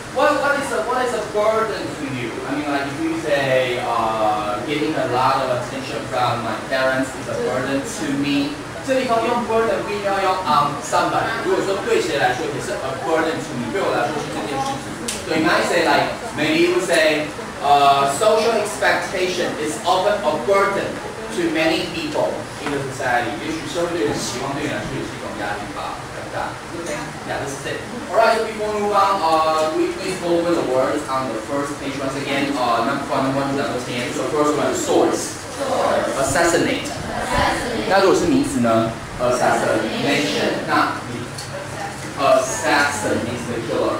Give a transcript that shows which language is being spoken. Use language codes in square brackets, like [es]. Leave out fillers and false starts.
[en] What is a burden to you? I mean, like if you say getting a lot of attention from my parents is a burden to me. [zh] 这地方用 burden 不一定要用 [en] on somebody. [zh] 如果说对谁来说也是 [en] a burden to me, [zh] 对我来说是这件事情。 [en] So you might say like, maybe you would say, social expectation is often a burden to many people in the society. [zh] 也许社会对人期望对你来说也是一种压力吧。 [en] Yeah, this is it. Alright, before we move on, we please go over the words on the first page once again. Number one, so first one, source. Assassinate. [zh] 那如果是名词呢? [en] Assassination. Not me. Assassin means the killer.